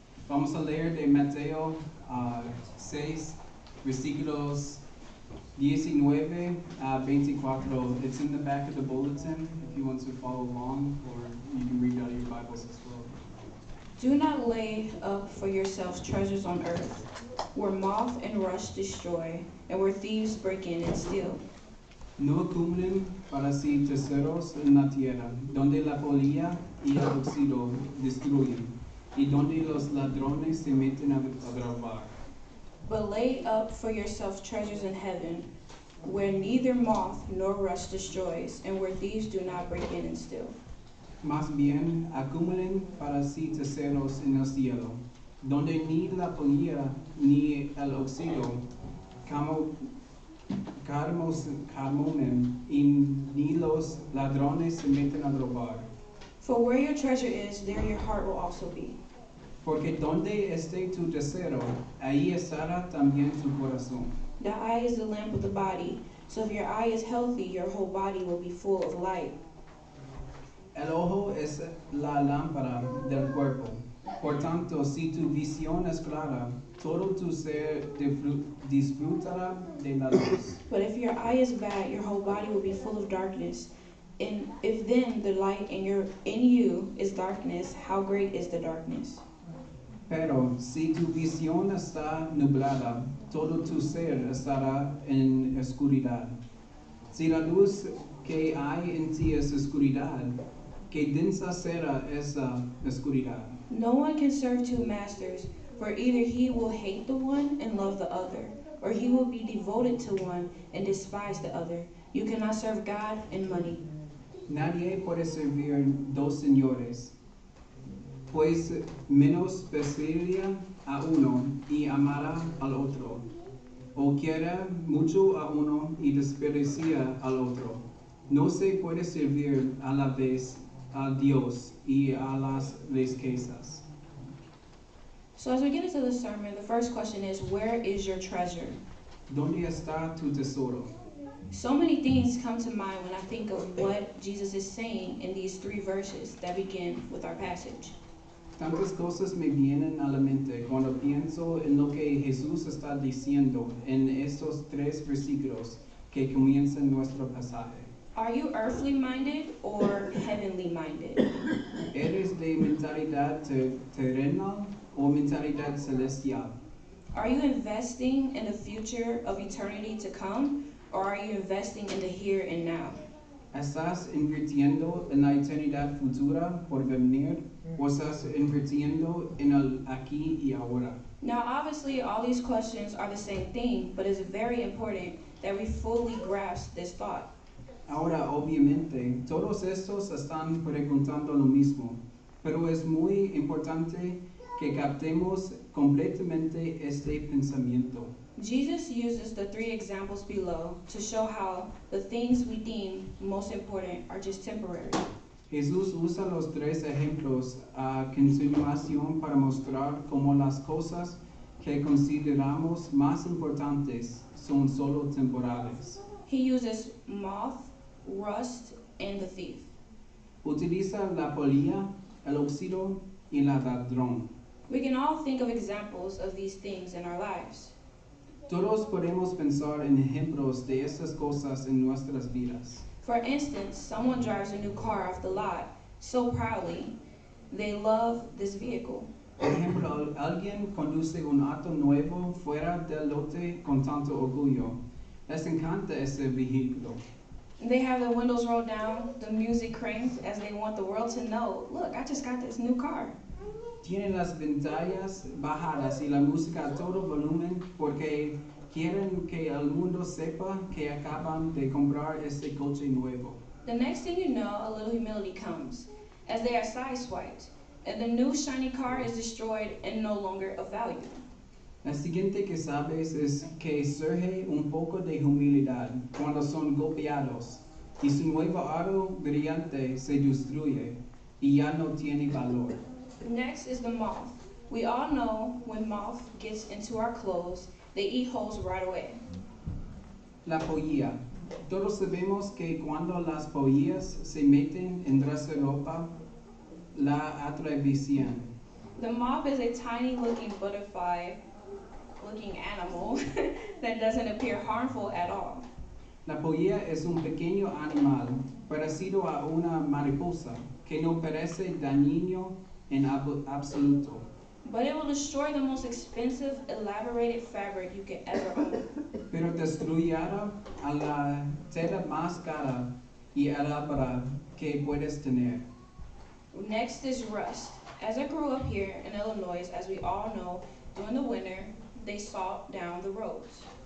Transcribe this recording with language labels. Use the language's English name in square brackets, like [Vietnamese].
[Spanish] Vamos a leer de Mateo 6, versículos 19 a 24. [English] It's in the back of the bulletin if you want to follow along, or you can read out of your Bibles as well. Do not lay up for yourselves treasures on earth, where moth and rust destroy, and where thieves break in and steal. [Spanish] No acumulen para sí tesoros en la tierra, donde la polilla y el óxido destruyen, y donde los ladrones se meten a robar. [English] But lay up for yourselves treasures in heaven, where neither moth nor rust destroys, and where thieves do not break in and steal. [Spanish] Más bien, acumulen para sí tesoros en el cielo, donde ni la polilla ni el óxido carmonen y ni los ladrones se meten a robar. [English] For where your treasure is, there your heart will also be. [Spanish] Porque donde esté tu tesoro, ahí estará también tu corazón. [English] The eye is the lamp of the body, so if your eye is healthy, your whole body will be full of light. [Spanish] El ojo es la lámpara del cuerpo. Por tanto, si tu visión es clara, todo tu ser disfrutará de la luz. [English] But if your eye is bad, your whole body will be full of darkness. And if then the light in you is darkness, how great is the darkness? [Spanish] Pero si tu visión está nublada, todo tu ser estará en oscuridad. Si la luz que hay en ti es oscuridad, que densa será esa oscuridad. [English] No one can serve two masters, for either he will hate the one and love the other, or he will be devoted to one and despise the other. You cannot serve God and money. [Spanish] Nadie puede servir dos señores, pues menospreciaría a uno y amará al otro, o quiera mucho a uno y desprecia al otro. No se puede servir a la vez a Dios y a las riquezas. [English] So as we get into the sermon, the first question is, where is your treasure? [Spanish] ¿Dónde está tu tesoro? [English] So many things come to mind when I think of what Jesus is saying in these three verses that begin with our passage. [Spanish] Tantas cosas me vienen a la mente cuando pienso en lo que Jesús está diciendo en estos tres versículos que comienzan nuestro pasaje. [English] Are you earthly minded or heavenly minded? [Spanish] ¿Eres de mentalidad terrenal o mentalidad celestial? [English] Are you investing in the future of eternity to come, or are you investing in the here and now? [Spanish] ¿Estás invirtiendo en la eternidad futura por venir, o estás invirtiendo en el aquí y ahora? [English] Now, obviously, all these questions are the same thing, but it's very important that we fully grasp this thought. [Spanish] Ahora, obviamente, todos estos están preguntando lo mismo, pero es muy importante que captemos completamente este pensamiento. [English] Jesus uses the three examples below to show how the things we deem most important are just temporary. [Spanish] Jesús usa los tres ejemplos a continuación para mostrar cómo las cosas que consideramos más importantes son solo temporales. [English] He uses moth, rust, and the thief. [Spanish] Utiliza la polilla, el óxido, y la ladrón. [English] We can all think of examples of these things in our lives. [Spanish] Todos podemos pensar en ejemplos de esas cosas en nuestras vidas. [English] For instance, someone drives a new car off the lot so proudly they love this vehicle. [Spanish] Por ejemplo, alguien conduce un auto nuevo fuera del lote con tanto orgullo. Les encanta ese vehículo. [English] They have the windows rolled down, the music cranked, as they want the world to know, look, I just got this new car. [Spanish] Tienen las ventanas bajadas y la música a todo volumen porque quieren que el mundo sepa que acaban de comprar este coche nuevo. [English] The next thing you know, a little humility comes, as they are sideswiped, and the new shiny car is destroyed and no longer of value. [Spanish] La siguiente que sabes es que surge un poco de humildad cuando son golpeados y su nuevo aro brillante se destruye y ya no tiene valor. [English] Next is the moth. We all know when moth gets into our clothes, they eat holes right away. [Spanish] La polilla. Todos sabemos que cuando las polillas se meten en nuestra ropa, la atraviesan. [English] The moth is a tiny looking butterfly looking animal that doesn't appear harmful at all. [Spanish] La polilla es un pequeño animal parecido a una mariposa que no parece dañino en absoluto. [English] But it will destroy the most expensive, elaborated fabric you could ever own. [Spanish] Pero destruirá a la tela más cara y elaborada que puedes tener. [English] Next is rust. As I grew up here in Illinois, as we all know, during the winter, they saw down the roads.